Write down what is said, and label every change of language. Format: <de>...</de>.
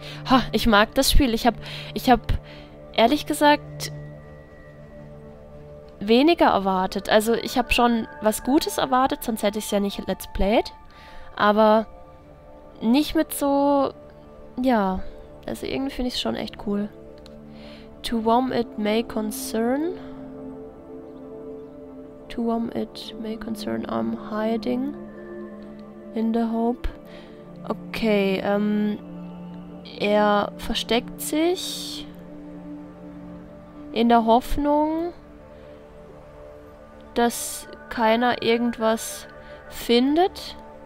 <de>Ha, ich mag das Spiel. Ich hab ehrlich gesagt weniger erwartet. Also ich habe schon was Gutes erwartet, sonst hätte ich es ja nicht Let's Played. Aber nicht mit so... Ja, also irgendwie finde ich es schon echt cool.</de> <en>To whom it may concern. To whom it may concern, I'm hiding in the hope.</en> <de>Okay, er versteckt sich in der Hoffnung, dass keiner irgendwas findet.</de>